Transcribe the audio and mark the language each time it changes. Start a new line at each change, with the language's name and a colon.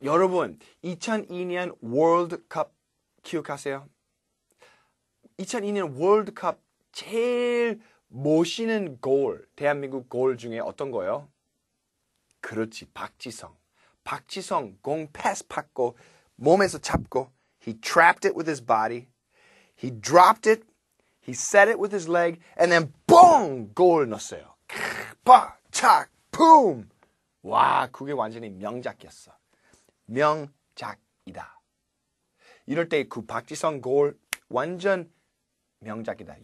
Korean: 여러분, 2002년 월드컵 기억하세요? 2002년 월드컵 제일 멋있는 골, 대한민국 골 중에 어떤 거예요? 그렇지, 박지성. 박지성, 공 패스 받고, 몸에서 잡고,
English: he trapped it with his body, he dropped it, he set it with his leg, and then BOOM!
Korean: 골 넣었어요. 빠, 착, 붐! 와, 그게 완전히 명작이었어. 명작이다. 이럴 때 그 박지성 골 완전 명작이다.